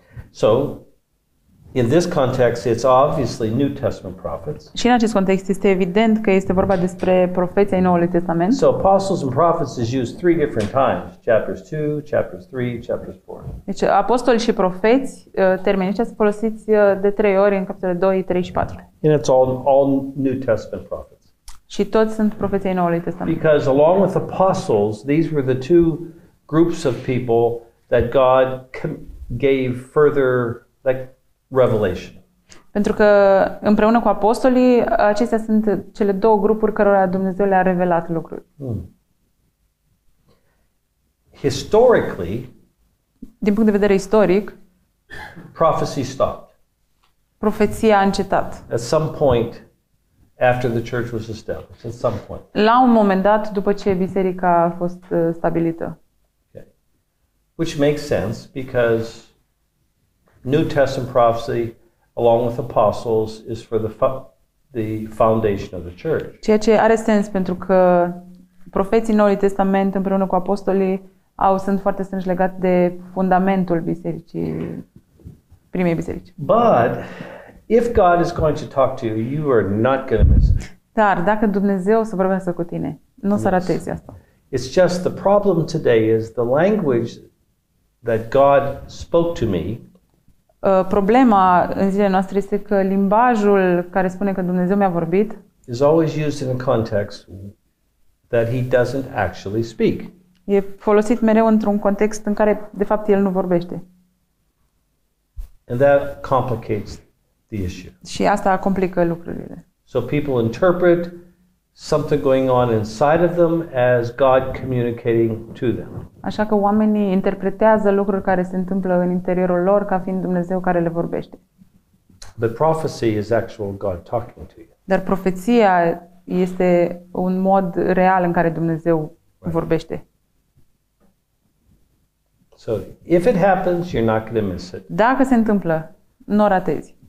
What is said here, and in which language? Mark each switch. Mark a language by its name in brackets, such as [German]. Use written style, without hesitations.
[English] So, in this context, it's obviously New Testament prophets. [Romanian] Și în acest context este evident că este vorba despre profeții ai Noului Testament. [English] So, apostles and prophets is used three different times: chapters 2, chapters 3, chapters 4. [Romanian] Deci, apostoli și profeți, termenii ăștia sunt folosiți de trei ori în capitolele 2, 3 și 4. [English] And it's all New Testament prophets. [Romanian] Și toți sunt profeții ai Noului Testament. [English] Because along with apostles, these were the two groups of people that God gave further like revelation. [Romanian] Pentru că împreună cu apostolii, acestea sunt cele două grupuri cărora Dumnezeu le-a revelat lucruri. Hmm. [English] Historically, [Romanian] din punct de vedere istoric, [English] prophecy stopped. [Romanian] Profeția a încetat. [English] At some point after the church was established, at some point. [Romanian] La un moment dat, după ce biserica a fost stabilită. [English] Which makes sense because New Testament prophecy along with apostles is for the foundation of the church. [Romanian] Ceea ce are sens pentru că profeții Noului Testament împreună cu apostolii au sunt foarte strâns legat de fundamentul bisericii, primei biserici. [English] But if God is going to talk to you, you are not going to miss it. [Romanian] Dar dacă Dumnezeu să vorbească cu tine, nu să ratezi asta. [English] It's just the problem today is the language that God spoke to me. [Romanian] Problema în zilele noastre este că limbajul care spune că Dumnezeu mi-a vorbit [English] is always used in a context that he doesn't actually speak. [Romanian] E folosit mereu într-un context în care de fapt el nu vorbește. [English] And that complicates the issue. [Romanian] Și asta complică lucrurile. [English] So people interpret something going on inside of them as God communicating to them. [Romanian] Așa că oamenii interpretează lucruri care se întâmplă în interiorul lor ca fiind Dumnezeu care le vorbește. [English] But prophecy is actual God talking to you. [Romanian] Dar profeția este un mod real în care Dumnezeu vorbește. [English] So if it happens, you're not going to miss it. [Romanian] Dacă se întâmplă, n-o ratezi.